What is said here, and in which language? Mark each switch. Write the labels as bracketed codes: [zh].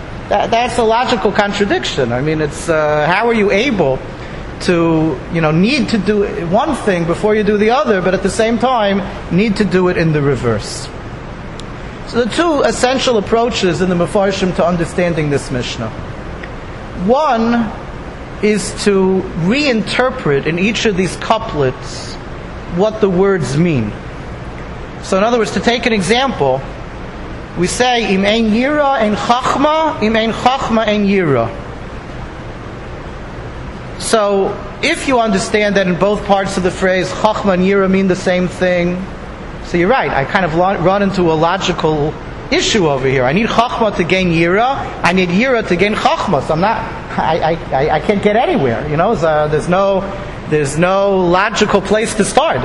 [en] That's a logical contradiction. I mean, it's how are you able to, you know, need to do one thing before you do the other, but at the same time, need to do it in the reverse. So the two essential approaches in the Mefarshim to understanding this Mishnah. One is to reinterpret in each of these couplets what the words mean. So in other words, to take an example, we say, [he] Im ein yira ein chachma, im ein chachma ein yira. [en] So if you understand that in both parts of the phrase, chachma and yira mean the same thing, so you're right, I kind of run into a logical issue over here. I need chachma to gain yira, I need yira to gain chachma. So I'm not, I can't get anywhere, you know, so there's no logical place to start.